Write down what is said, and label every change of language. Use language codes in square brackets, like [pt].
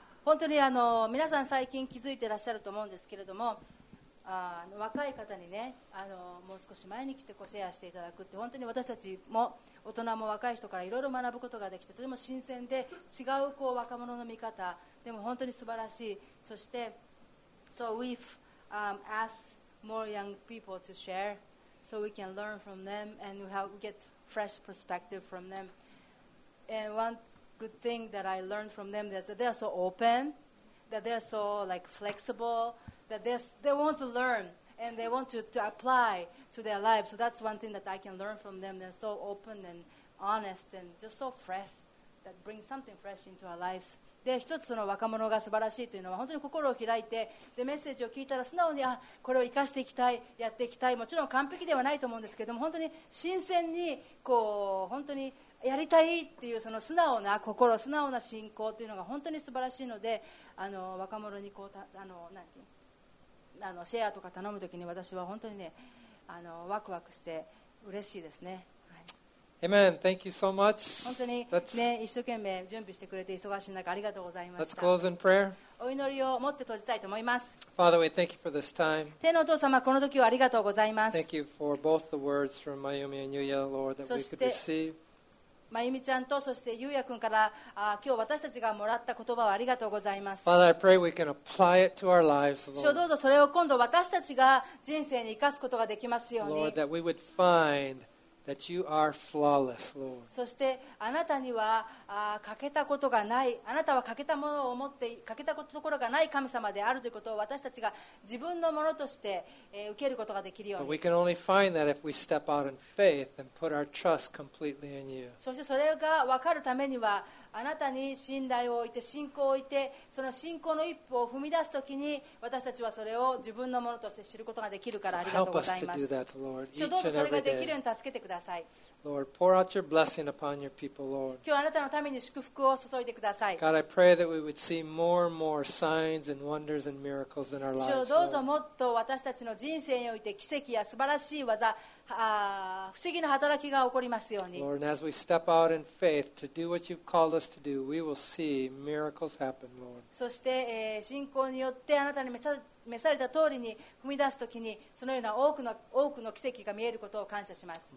[ja] 本当に皆さん最近気づいてらっしゃると思うんですけれども、若い方にね、もう少し前に来てシェアしていただくって、本当に私たちも大人も若い人からいろいろ学ぶことができて、とても新鮮で違う若者の見方でも本当に素晴らしい。そして、 [en] So we've asked more young people to share. So we can learn from them and we have get fresh perspective from them. And one good thing that I learned from them is that they are so open, that they are so like flexible, that they want to learn and they want to apply to their lives. So that's one thing that I can learn from them. They're so open and honest and just so fresh that brings something fresh into our lives. [ja] で、一つその若者が素晴らしいというのは本当に心を開いて、でメッセージを聞いたら素直に、あ、これを生かしていきたい、やっていきたい、もちろん完璧ではないと思うんですけども、本当に新鮮にこう本当にやりたいっていうその素直な心、素直な信仰というのが本当に素晴らしいので、若者にこうシェアとか頼むときに私は本当にね、ワクワクして嬉しいですね。 [en] Amen. Thank you so much. [ja] 本当に、ね、一生懸命準備してくれて忙しい中ありがとうございました。 [en] Let's close in prayer. [ja] お祈りを持って閉じたいと思います。 [en] Father, we thank you for this time. [ja] 天のお父様、この時をありがとうございます。 [en] Thank you for both the words from Mayumi and Yuya, Lord, that we could receive. [ja] まゆみちゃんとそしてゆうやくんから今日私たちがもらった言葉をありがとうございます。 [en] Father, I pray we can apply it to our lives, Lord. [ja] 主よ、どうぞそれを今度私たちが人生に生かすことができますように。 [en] Lord, that we would findThat you are flawless, Lord. [ja] そしてあなたには欠けたことがない、あなたは欠けたものを持って欠けたところがない神様であるということを私たちが自分のものとして、受けることができるように。 [en] But we can only find that if we step out in faith and put our trust completely in you. [ja] そしてそれが分かるためにはあなたに信頼を置いて信仰を置いてその信仰の一歩を踏み出すときに私たちはそれを自分のものとして知ることができるから、ありがとうございます。 [en] So help us to do that, Lord, each and every day. [ja] どうぞそれができるように助けてください。 [en] Lord, pour out your blessing upon your people, Lord. [ja] 今日あなたのために祝福を注いでください。 [en] God, I pray that we would see more and more signs and wonders and miracles in our lives. [ja] 主よ、どうぞもっと私たちの人生において奇跡や素晴らしい技不思議な働きが起こりますように。 [en] Lord, as we step out in faith to do what you've called us to do, we will see miracles happen, Lord. [ja] そして、信仰によってあなたに召された通りに踏み出すときに、そのような多くの奇跡が見えることを感謝します。